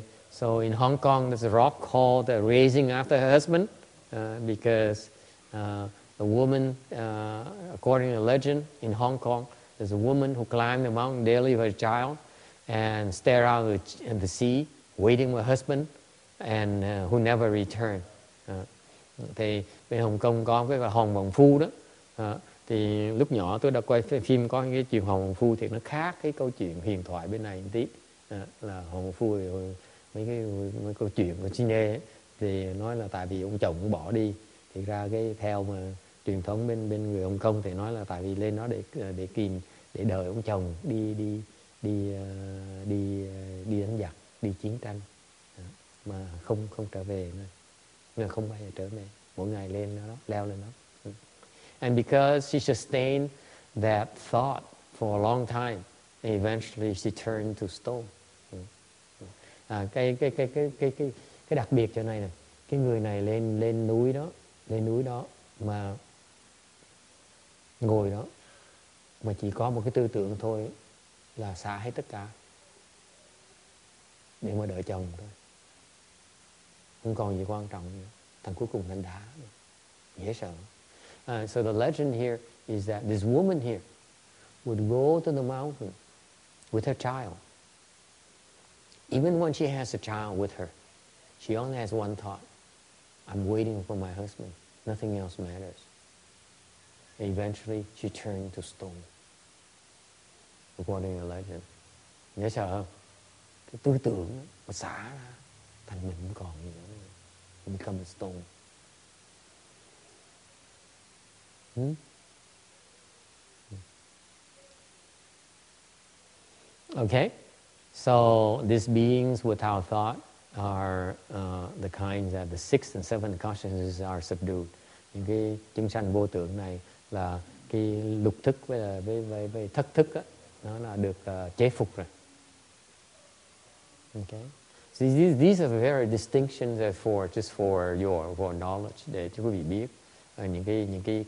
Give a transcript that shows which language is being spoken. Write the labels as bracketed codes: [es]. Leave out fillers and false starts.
[en] So in Hong Kong, there's a rock called the raising after her husband, because the woman, according to legend in Hong Kong, there's a woman who climbed the mountain daily with her child and stared out at the sea, waiting for her husband, and who never returned. [vi] Thì bên Hồng Kông có cái gọi hòn vòng phu đó. Thì lúc nhỏ tôi đã quay phim có cái chuyện hòn vòng phu, thì nó khác cái câu chuyện huyền thoại bên này một tí. là hồi phu thì mấy cái mấy câu chuyện của Chine thì nói là tại vì ông chồng cũng bỏ đi, thì ra cái theo mà truyền thống bên bên người Hồng Kông thì nói là tại vì lên đó để kìm để đợi ông chồng đi đi đi đi đi đánh giặc, đi chiến tranh mà không không trở về nữa, nên không bao giờ trở về, mỗi ngày lên đó, leo lên đó. [en] And because she sustained that thought for a long time, eventually she turned to stone. [vi] À, cái đặc biệt chỗ này nè, cái người này lên lên núi đó, lên núi đó mà ngồi đó mà chỉ có một cái tư tưởng thôi là xả hết tất cả để mà đợi chồng thôi, không còn gì quan trọng nữa, thành cuối cùng thành đá, dễ sợ. [en] So the legend here is that this woman here would go to the mountain with her child. Even when she has a child with her, she only has one thought. I'm waiting for my husband. Nothing else matters. Eventually, she turned to stone. According to the legend. [vi] Nhớ sợ không? Cái tư tưởng mà xả ra, thành mình không còn gì nữa. [en] You become a stone. Okay. So these beings without thought are the kinds that the sixth and seventh consciousnesses are subdued. [vi] Những cái chúng sanh vô tưởng này là cái lục thức với thất thức á, nó là được chế phục rồi. [en] Okay. So these are very distinctions for just for your for knowledge, [vi] để cho quý vị biết những cái